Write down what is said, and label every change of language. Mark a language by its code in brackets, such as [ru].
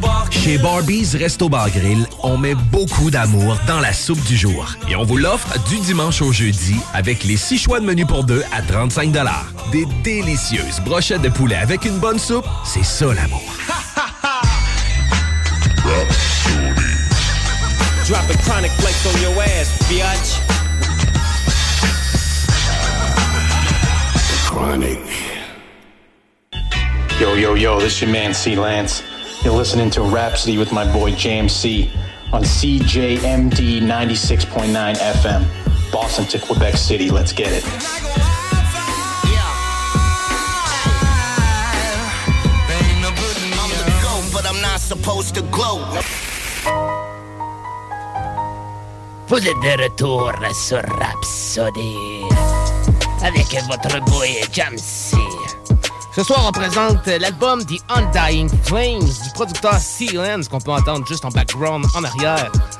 [fr] Chez Barbie's Resto Bar Grill, on met beaucoup d'amour dans la soupe du jour. Et on vous l'offre du dimanche au jeudi avec les 6 choix de menu pour deux à 35 $. Des délicieuses brochettes de poulet avec une bonne soupe, c'est ça l'amour. [en] Drop a chronic flex on your ass, bitch. Chronic. Yo, yo, yo, this is your man C. Lance. You're listening to Rhapsody with my boy JMC on CJMD 96.9 FM, Boston to Quebec City. Let's get it. I'm the goat, but I'm not supposed to glow. [fr] Vous êtes de retour sur Rhapsody avec votre boy Jamsy. Ce soir, on présente l'album The Undying Flames du producteur C-Lens qu'on peut entendre juste en background, en arrière.